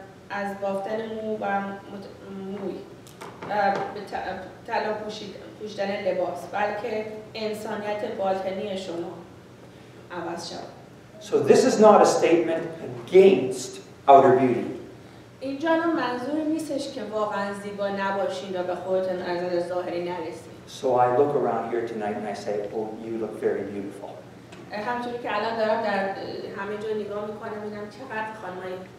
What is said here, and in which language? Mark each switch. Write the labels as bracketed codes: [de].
[fa] از بافتن مو و موی به طلا پوشیدن لباس بلکه انسانیت باطنی شما عوض شد. [en] So this is not a statement against outer beauty. [fa] اینجا منظور نیستش که واقعا زیبا نباشید و به خودتون از ظاهری نرسید. [en] So I look around here tonight and I say, oh, you look very beautiful. [fa] همچنین که الان دارم در همه جا نگاه میکنم میگم چقدر خانمایی